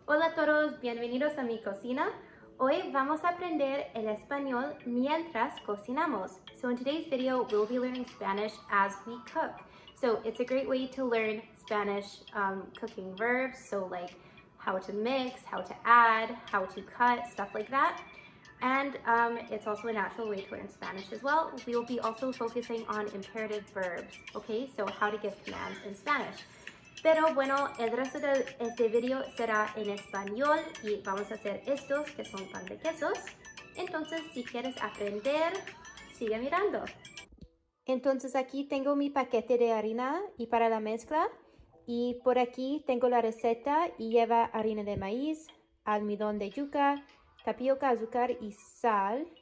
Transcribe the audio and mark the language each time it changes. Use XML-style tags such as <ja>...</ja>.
<es>a todos, bienvenidos a mi cocina. Hoy vamos a aprender el español mientras cocinamos.</es> <en>So in today's video, we'll be learning Spanish as we cook. So it's a great way to learn Spanish cooking verbs, so like how to mix, how to add, how to cut, stuff like that. And it's also a natural way to learn Spanish as well. We will be also focusing on imperative verbs, okay? So how to give commands in Spanish.</en> <es>Pero bueno, el resto de este video será en español y vamos a hacer estos que son pan de quesos. Entonces, si quieres aprender, sigue mirando. Entonces aquí tengo mi paquete de harina y para la mezcla. Y por aquí tengo la receta y lleva harina de maíz, almidón de yuca, tapioca, azúcar y sal.</es>